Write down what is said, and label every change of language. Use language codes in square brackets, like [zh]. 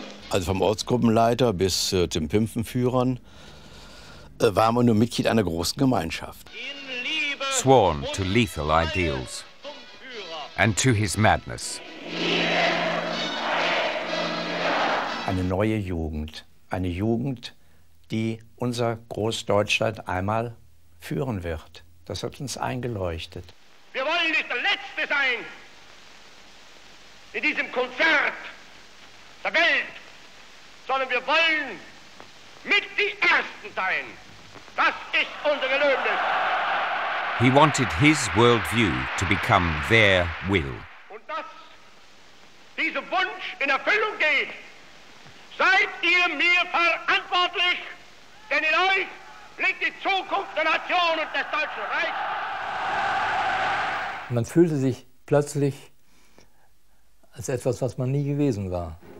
[de] Also vom Ortsgruppenleiter bis zum Pimpfenführern war man nur Mitglied einer großen Gemeinschaft. [en] Sworn to lethal ideals and to his madness. [de] Eine neue Jugend. Eine Jugend, die unser Großdeutschland einmal führen wird. Das hat uns eingeleuchtet. Wir wollen nicht der Letzte sein in diesem Konzert der Welt. Sondern wir wollen mit die Ersten sein. Das ist unser Gelöbnis. [en] He wanted his worldview to become their will. [de] Und dass dieser Wunsch in Erfüllung geht, seid ihr mir verantwortlich, denn in euch liegt die Zukunft der Nation und des Deutschen Reichs. Man fühlte sich plötzlich als etwas, was man nie gewesen war.